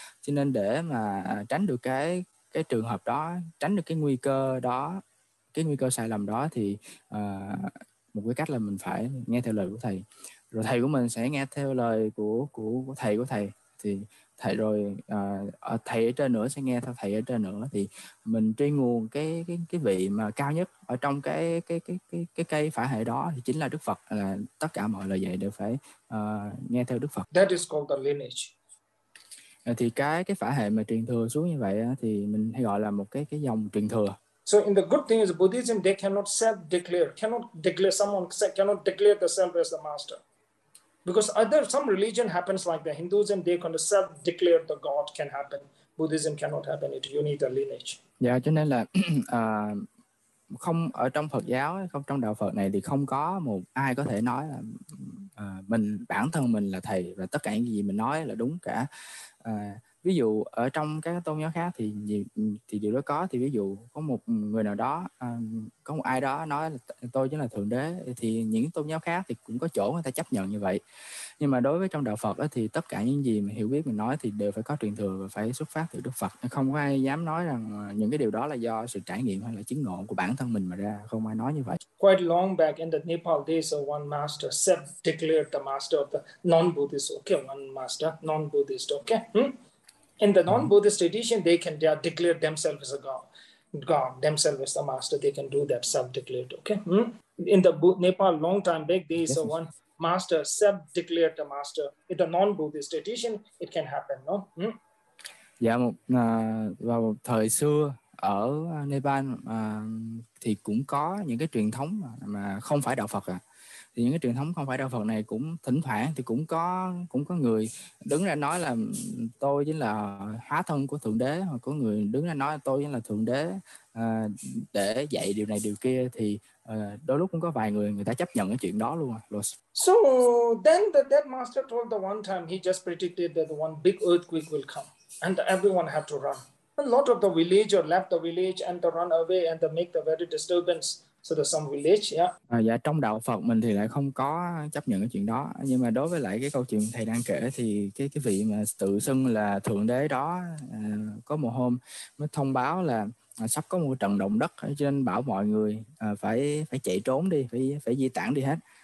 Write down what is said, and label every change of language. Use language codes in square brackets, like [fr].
[vi] Cho nên để mà tránh được cái trường hợp đó, tránh được cái nguy cơ đó, cái nguy cơ sai lầm đó thì một cái cách là mình phải nghe theo lời của thầy, rồi thầy của mình sẽ nghe theo lời của thầy của thầy, thì thầy rồi thầy ở trên nữa sẽ nghe theo thầy ở trên nữa, thì mình truy nguồn cái vị mà cao nhất ở trong cái cây phả hệ đó thì chính là Đức Phật, là tất cả mọi lời dạy đều phải nghe theo Đức Phật. [en] That is called the lineage. [vi] Thì cái phả hệ mà truyền thừa xuống như vậy thì mình hay gọi là một cái dòng truyền thừa. [en] So in the good thing is Buddhism, they cannot self-declare, cannot declare themselves as the master. Because other some religion happens like the Hinduism, they kind of self-declare the God can happen. Buddhism cannot happen. You need a lineage. [vi] Yeah, cho nên là không ở trong Phật giáo, không trong đạo Phật này thì không có một ai có thể nói là bản thân mình là thầy và tất cả những gì mình nói là đúng cả. ví dụ ở trong các tôn giáo khác thì điều đó có, thì ví dụ có một người nào đó, có một ai đó nói là tôi chính là Thượng Đế, thì những tôn giáo khác thì cũng có chỗ người ta chấp nhận như vậy. Nhưng mà đối với trong đạo Phật đó, thì tất cả những gì mà hiểu biết mình nói thì đều phải có truyền thừa và phải xuất phát từ Đức Phật. Không có ai dám nói rằng những cái điều đó là do sự trải nghiệm hay là chứng ngộ của bản thân mình mà ra, không ai nói như vậy. [en] Quite long back in the Nepal days, one master self-declared the master of the non-Buddhist, okay, one master, non-Buddhist, okay, In the non-Buddhist tradition, they can declare themselves as a god, god themselves as the master. They can do that self-declared. Okay. In the Nepal, long time back, there is one master self-declared the master. In the non-Buddhist tradition, it can happen. No. [vi] Dạ, một vào một thời xưa ở Nepal thì cũng có những cái truyền thống mà không phải đạo Phật à. Thì những cái truyền thống không phải đạo Phật này cũng thỉnh thoảng thì cũng có người đứng ra nói là tôi chính là hóa thân của Thượng Đế, hoặc có người đứng ra nói là tôi chính là Thượng Đế để dạy điều này điều kia, thì đôi lúc cũng có vài người ta chấp nhận cái chuyện đó luôn à. [en] So then the dead master told the one time he just predicted that one big earthquake will come and everyone have to run. A lot of the villager left the village and run away and make the very disturbance. So there's some village, yeah. [vi] Dạ, trong đạo Phật mình thì lại không có chấp nhận cái chuyện đó. Nhưng mà đối với lại cái câu chuyện thầy đang kể thì cái vị mà tự xưng là Thượng Đế đó có một hôm mới thông báo là sắp có một trận động đất, cho nên bảo mọi người phải chạy trốn đi, phải di tản đi hết.